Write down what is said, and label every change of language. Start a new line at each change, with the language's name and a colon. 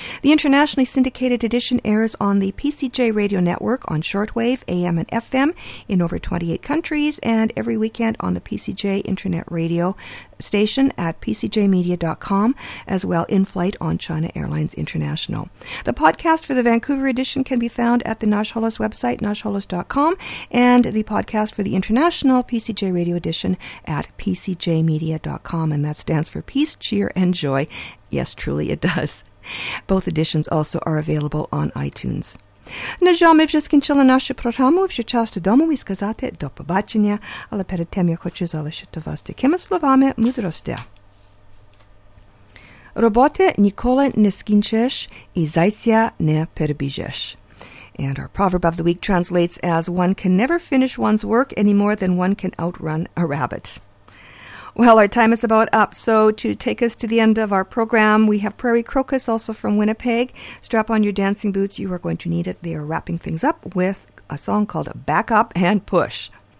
English: The internationally syndicated edition airs on the PCJ Radio Network on shortwave, AM and FM in over 28 countries, and every weekend on the PCJ Internet Radio station at pcjmedia.com, as well in flight on China Airlines International. The podcast for the Vancouver edition can be found at the Nash Holos website, nashholos.com, and the podcast for the international PCJ radio edition at pcjmedia.com, and that stands for Peace, Cheer, and Joy. Yes, truly it does. Both editions also are available on iTunes.
Ukrainian: На жаль, ми вже скінчили нашу програму. Вже час додому і сказати до побачення. Але перед тим я хочу залишити вас такими словами мудрості. Роботи ніколи не скінчиш і зайця не перебіжеш.
English: And our proverb of the week translates as, one can never finish one's work any more than one can outrun a rabbit. Well, our time is about up, so to take us to the end of our program, we have Prairie Crocus, also from Winnipeg. Strap on your dancing boots. You are going to need it. They are wrapping things up with a song called Back Up and Push.